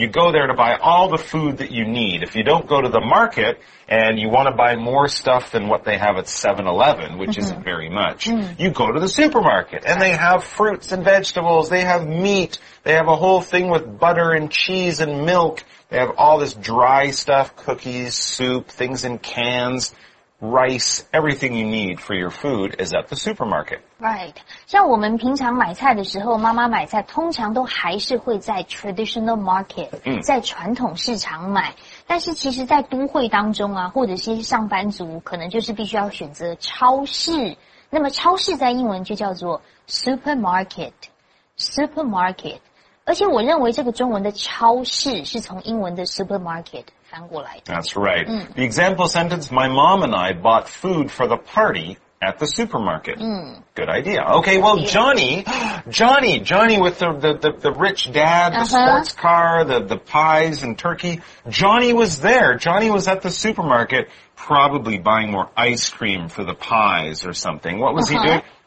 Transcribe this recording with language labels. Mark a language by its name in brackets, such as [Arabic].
[English] You go there to buy all the food that you need. If you don't go to the market and you want to buy more stuff than what they have at 7-Eleven, which mm-hmm. isn't very much, you go to the supermarket. And they have fruits and vegetables. They have meat. They have a whole thing with butter and cheese and milk. They have all this dry stuff, cookies, soup, things in cans, rice, everything you need for your food is at the supermarket. Right. [Chinese] 像我们平常买菜的时候，妈妈买菜通常都还是会在 [English] traditional market, [Chinese] 在传统市场买。但是其实在都会当中啊，或者是上班族，可能就是必须要选择超市。那么超市在英文就叫做 supermarket, supermarket。而且我认为这个中文的超市是从英文的 supermarket 翻过来的。 [English] That's right. The example sentence, my mom and I bought food for the party at the supermarket. Good idea. Okay, well, Johnny with the rich dad, the sports car, the pies and turkey, Johnny was there. Johnny was at the supermarket probably buying more ice cream for the pies or something. What was he doing?